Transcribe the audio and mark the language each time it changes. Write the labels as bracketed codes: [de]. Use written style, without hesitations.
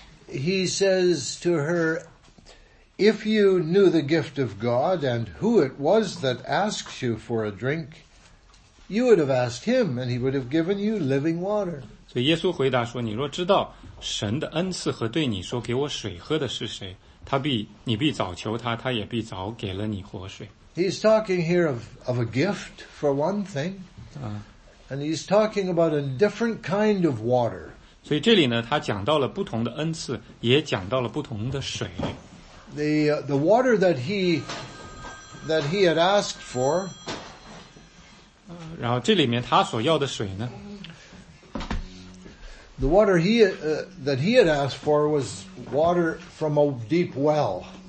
[en] He says to her, If you knew the gift of God and who it was that asks you for a drink, you would have asked him and he would have given you living water. [zh] 所以耶稣回答说，你若知道神的恩赐和对你说给我水喝的是谁，他必，你必早求他，他也必早给了你活水。 [en] He's talking here of a gift for one thing. And he's talking about a different kind of water. [zh] 所以这里呢，他讲到了不同的恩赐，也讲到了不同的水。 [en] The water that he had asked for. [zh] 然后这里面他所要的水呢？ [en] The water that he had asked for was water from a deep well.